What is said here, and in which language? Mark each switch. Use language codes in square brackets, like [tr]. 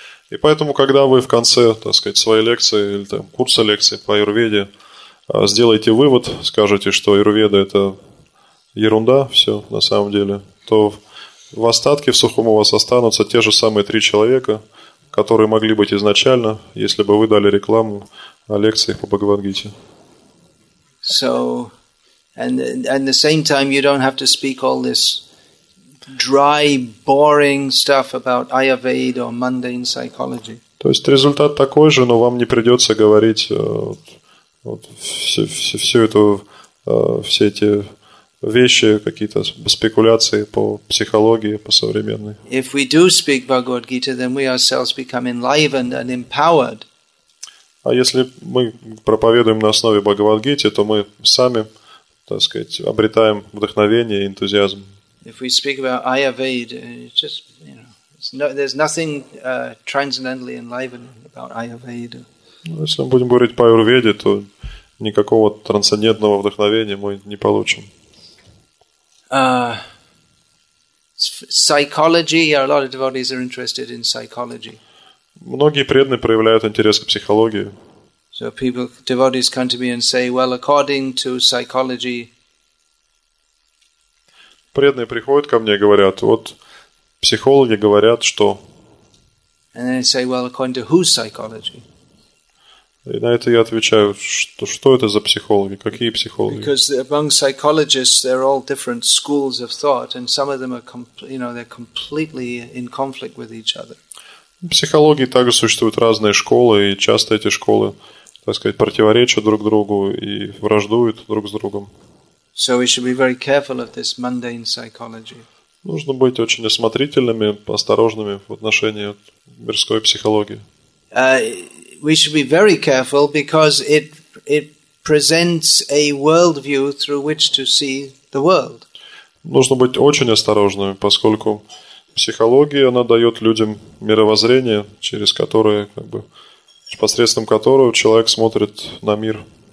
[ru] И поэтому, когда вы в конце, так сказать, своей лекции или там, курса лекции по Аюрведе сделаете вывод, скажете, что Аюрведа – это ерунда, все на самом деле, то в остатке, в сухом у вас останутся те же самые три человека, которые могли быть изначально, если бы вы дали рекламу о лекциях по Бхагавадгите. [en] So, and the same time you don't have to speak all this dry, boring stuff about Ayurveda or mundane psychology. [ru] То есть результат такой же, но вам не придется говорить все эти вещи, какие-то спекуляции по психологии, по современной. [en] If we do speak Bhagavad Gita, then we ourselves become enlivened and empowered. [ru] А если мы проповедуем на основе Бхагавадгиты, то мы сами, так сказать, обретаем вдохновение и энтузиазм. [en] If we speak about Ayurveda, it's just, you know, there's nothing transcendentally enlivening about Ayurveda. [ru] Если мы будем говорить по Аюрведе, то никакого трансцендентного вдохновения мы не получим. [en] Psychology, a lot of devotees are interested in psychology. [ru] Многие преданные проявляют интерес к психологии. [en] So people, devotees come to me and say, well, according to psychology, [ru] преданные приходят ко мне и говорят, вот психологи говорят, что... [en] And they say, well, according to whose psychology? [ru] И на это я отвечаю, что это за психологи, какие психологи? [en] Because among psychologists, there are all different schools of thought, and some of them are, you know, they're completely in conflict with each other. [ru] В психологии также существуют разные школы, и часто эти школы, так сказать, противоречат друг другу и враждуют друг с другом. [en] So we should be very careful of this mundane psychology. [ru] Нужно быть очень осмотрительными, осторожными в отношении мирской психологии. [en] We should be very careful because it presents a worldview through which to see the world. [ru] Нужно быть очень осторожными, поскольку психология, она дает людям мировоззрение, через которое, как бы, посредством которого человек смотрит на мир.